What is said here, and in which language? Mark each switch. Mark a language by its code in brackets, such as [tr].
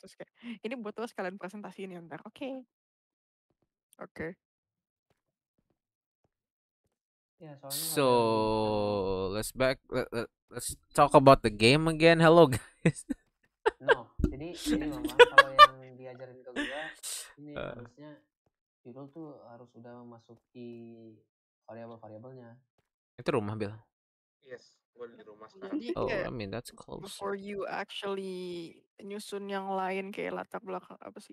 [id] Terus kayak, ini buat tugas kalian presentasi ini ntar. Oke. [en] Yeah, so let's talk about the game again. Hello guys. [id] No, jadi ini memang kalau yang diajarin ke gue, ini harusnya judul tuh harus udah memasuki variabel-variabelnya. Itu rumah Bill. [en] Yes. [id] Di rumah sekarang. [en] Oh, I mean that's close. Before you actually [id] nyusun yang lain kayak latar belakang apa sih?